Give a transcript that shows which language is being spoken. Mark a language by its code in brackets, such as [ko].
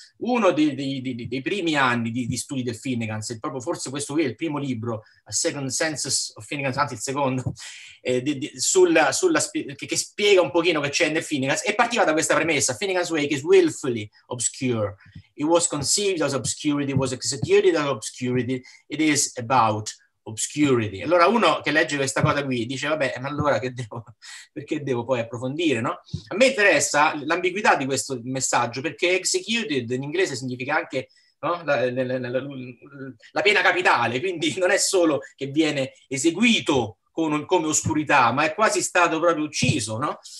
[it] Uno dei primi anni di studi del Finnegans, proprio forse questo qui è il primo libro, A Second Senses of Finnegans, anzi il secondo, che spiega un pochino che c'è nel Finnegans, e partiva da questa premessa: [en] Finnegans Wake is willfully obscure. It was conceived as obscurity, it was executed as obscurity, it is about obscurity. [it] Allora uno che legge questa cosa qui dice: vabbè, ma allora perché devo poi approfondire, no? A me interessa l'ambiguità di questo messaggio, perché executed in inglese significa anche, no, la pena capitale, quindi non è solo che viene eseguito come oscurità, ma è quasi stato proprio ucciso, no?